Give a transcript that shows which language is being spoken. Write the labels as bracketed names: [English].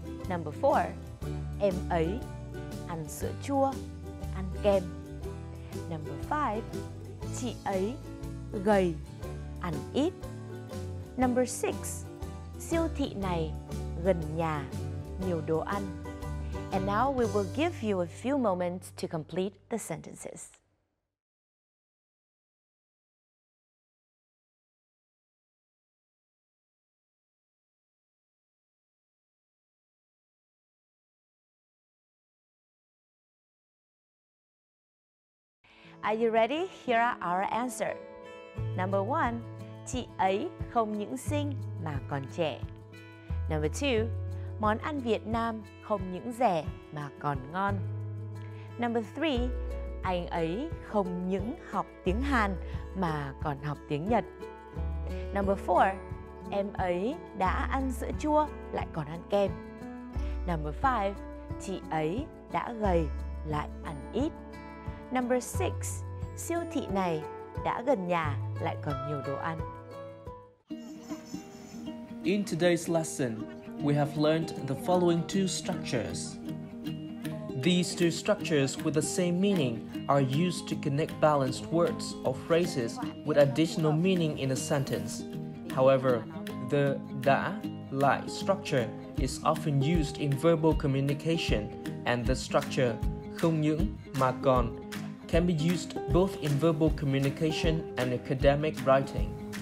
[Vietnamese] Number 4. Em ấy ăn sữa chua, ăn kem. Number 5. Chị ấy gầy, ăn ít. Number 6. Siêu thị này gần nhà, nhiều đồ ăn. [English] And now we will give you a few moments to complete the sentences. Are you ready? Here are our answers. [Vietnamese] Number 1, chị ấy không những xinh mà còn trẻ. Number 2, món ăn Việt Nam không những rẻ mà còn ngon. Number 3, anh ấy không những học tiếng Hàn mà còn học tiếng Nhật. Number 4, em ấy đã ăn sữa chua lại còn ăn kem. Number 5, chị ấy đã gầy lại ăn ít. Number 6, siêu thị này đã gần nhà lại còn nhiều đồ ăn. [English] In today's lesson, we have learned the following two structures. These two structures with the same meaning are used to connect balanced words or phrases with additional meaning in a sentence. However, the đã, lại structure is often used in verbal communication, and the structure không những mà còn can be used both in verbal communication and academic writing.